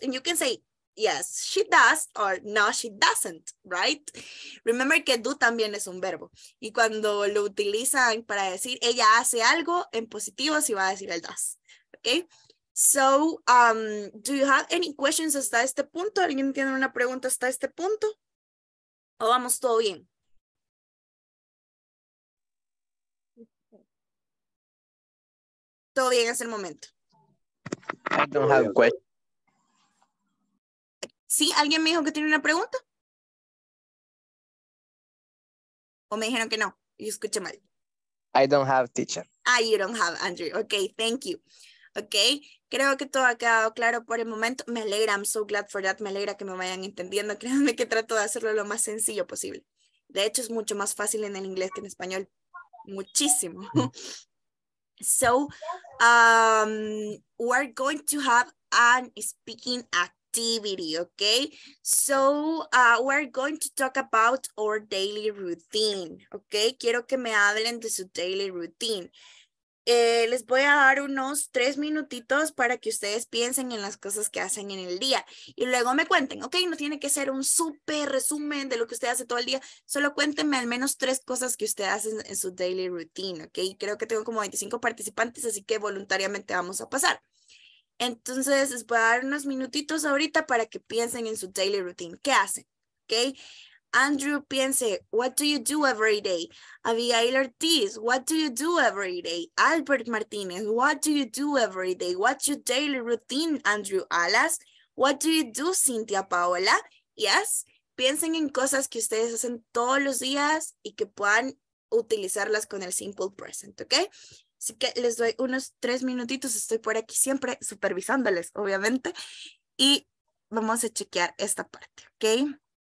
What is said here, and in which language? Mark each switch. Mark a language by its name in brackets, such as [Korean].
[English] And you can say, yes, she does, or no, she doesn't, right? [Spanish] Remember que do también es un verbo. Y cuando lo utilizan para decir, ella hace algo, en positivo, sí va a decir el does, okay? [English] So, do you have any questions [Spanish] hasta este punto? ¿Alguien tiene una pregunta hasta este punto? ¿O vamos todo bien? Todo bien, es el momento. [English] I don't have a question. [Spanish] ¿Sí? ¿Alguien me dijo que tiene una pregunta? ¿O me dijeron que no? Yo escuché mal. [English] I don't have teacher. Ah, you don't have, Andrew. Okay, thank you. [Spanish] Okay, creo que todo ha quedado claro por el momento. Me alegra, [English] I'm so glad for that. [Spanish] Me alegra que me vayan entendiendo. Créanme que trato de hacerlo lo más sencillo posible. De hecho, es mucho más fácil en el inglés que en español. Muchísimo. [English] So, we're going to have an speaking activity, okay? So, we're going to talk about our daily routine, okay? [Spanish] Quiero que me hablen de su daily routine. Les voy a dar unos 3 minutitos para que ustedes piensen en las cosas que hacen en el día y luego me cuenten, ok, no tiene que ser un súper resumen de lo que usted hace todo el día, solo cuéntenme al menos 3 cosas que usted hace en su daily routine, ok, creo que tengo como 25 participantes, así que voluntariamente vamos a pasar. Entonces les voy a dar unos minutitos ahorita para que piensen en su daily routine, ¿qué hacen? Ok. [English] Andrew, [Spanish] piense, [English] what do you do every day? Abigail Ortiz, what do you do every day? Albert Martinez, what do you do every day? What's your daily routine, Andrew Alas? What do you do, Cynthia Paola? [Spanish] Yes, piensen en cosas que ustedes hacen todos los días y que puedan utilizarlas con el simple present, ¿ok? Así que les doy unos 3 minutitos, estoy por aquí siempre supervisándoles, obviamente, y vamos a chequear esta parte, ¿ok?